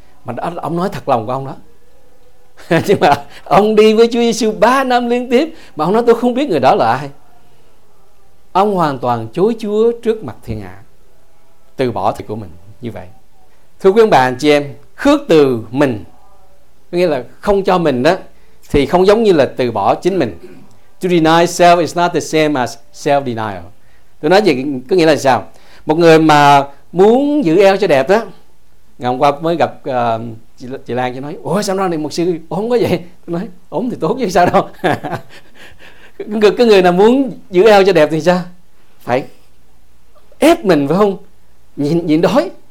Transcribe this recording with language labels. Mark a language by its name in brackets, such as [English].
[Vietnamese] Mà đó, ông nói thật lòng của ông đó. Nhưng mà ông đi với Chúa Giêsu 3 năm liên tiếp mà ông nói tôi không biết người đó là ai. Ông hoàn toàn chối Chúa trước mặt thiên hạ, từ bỏ thì của mình như vậy. Thưa quý ông bà anh chị em, khước từ mình có nghĩa là không cho mình đó thì không giống như là từ bỏ chính mình. [English] To deny self is not the same as self-denial. [Vietnamese] Tôi nói gì có nghĩa là sao? Một người mà muốn giữ eo cho đẹp đó, ngày hôm qua mới gặp chị Lan, chị nói, ủa sao nó này một sư ốm quá vậy? Tôi nói, ốm thì tốt chứ sao đâu. cái người nào muốn giữ eo cho đẹp thì sao? Phải ép mình phải không? Nhịn đói.